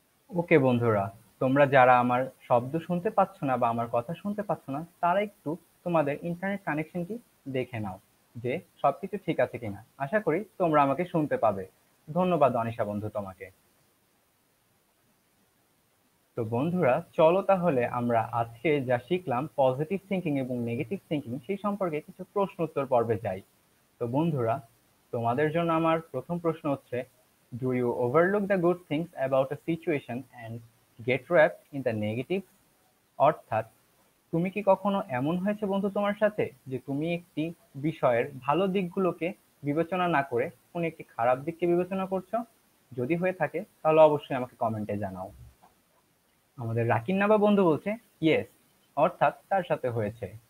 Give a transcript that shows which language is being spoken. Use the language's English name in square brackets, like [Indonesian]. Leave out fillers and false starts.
[Bangla] ওকে বন্ধুরা, তোমরা যারা আমার শব্দ শুনতে পাচ্ছ না বা আমার কথা শুনতে পাচ্ছ না, তারা একটু তোমাদের ইন্টারনেট কানেকশনটি দেখে নাও যে সবকিছু ঠিক আছে কিনা। আশা করি তোমরা আমাকে শুনতে পাবে। ধন্যবাদ অনিশা বন্ধু তোমাকে। তো বন্ধুরা চলো তাহলে আমরা আজকে যা শিখলাম পজিটিভ থিঙ্কিং এবং নেগেটিভ থিঙ্কিং সেই সম্পর্কে কিছু প্রশ্ন উত্তর পর্বে যাই। তো বন্ধুরা তোমাদের জন্য আমার প্রথম প্রশ্ন হচ্ছে, [English] Do you overlook the good things about a situation and get wrapped in the negatives? [Bangla] অর্থাৎ তুমি কি কখনো এমন হয়েছে বন্ধু তোমার সাথে যে তুমি একটি বিষয়ের ভালো দিকগুলোকে বিবেচনা না করে কোনো একটি খারাপ দিককে বিবেচনা করছো? যদি হয়ে থাকে তাহলে অবশ্যই আমাকে কমেন্টে জানাও। আমাদের রাকিন নাবা বন্ধু বলছে ইয়েস, অর্থাৎ তার সাথে হয়েছে।